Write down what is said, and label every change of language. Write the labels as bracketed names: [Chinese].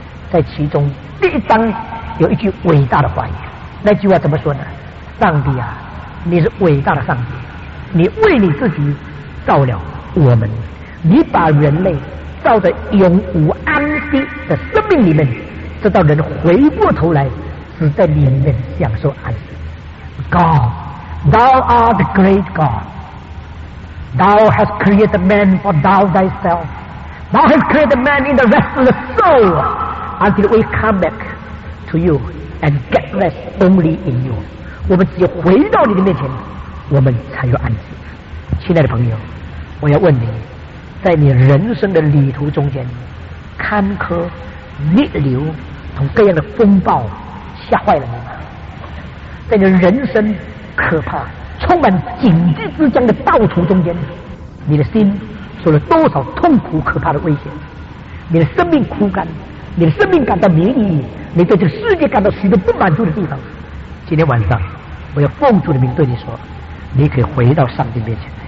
[Chinese] 在其中第一章有一句伟大的话语，那句话怎么说呢？上帝啊，你是伟大的上帝，你为你自己造了我们，你把人类造得永无安息的生命里面，直到人回过头来只在里面享受安息。 [English] God Thou art the great God, Thou hast created man for Thou thyself, Thou hast created man in the restless soul, until we come back to you and get rest only in you. [Chinese] 我们只有回到你的面前，我们才有安息。亲爱的朋友，我要问你，在你人生的旅途中间，坎坷逆流同各样的风暴吓坏了你吗？在你人生可怕充满紧急之将的道途中间，你的心受了多少痛苦可怕的危险，你的生命枯干，你的生命感到没意义，你对这个世界感到许多不满足的地方，今天晚上我要奉主的名对你说，你可以回到上帝面前，